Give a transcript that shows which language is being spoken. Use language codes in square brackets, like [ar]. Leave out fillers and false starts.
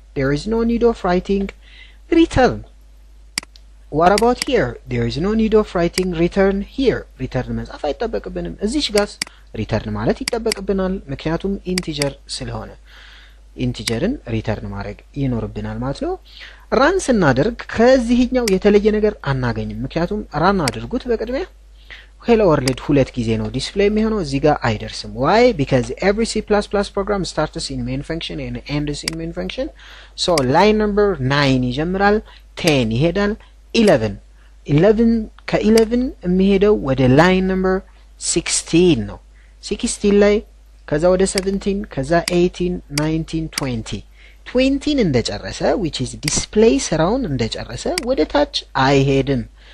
[en] there is no need of writing return. what about here? there is no need of writing return here. [am] return መጻፍ አይጠበቅብንም። እዚሽ ጋስ return ማለት ይጠበቅብናል፣ ምክንያቱም integer ስለሆነ integerን return ማድረግ ይኖርብናል ማለት ነው። run ስናደርግ ከዚህኛው የተለየ ነገር አናገኝም፣ ምክንያቱም run አድርጉት በቀድሚያ hello world ሁለት ጊዜ ነው display የሚሆነው እዚህ ጋር አይደርስም። [en] why? because every c++ program starts in main function and ends in main function. so line number 9 [am] ይጀምራል 10 ይሄዳል 11 ከ11 የሚሄደው ወደ ላይን ነምበር 16 ነው። 16 ላይ ከዛ ወደ 17 ከዛ 18 19 20 20ን እንደጨረሰ [en] which is display [am] ስራውን እንደጨረሰ ወደ ታች አይሄድም፣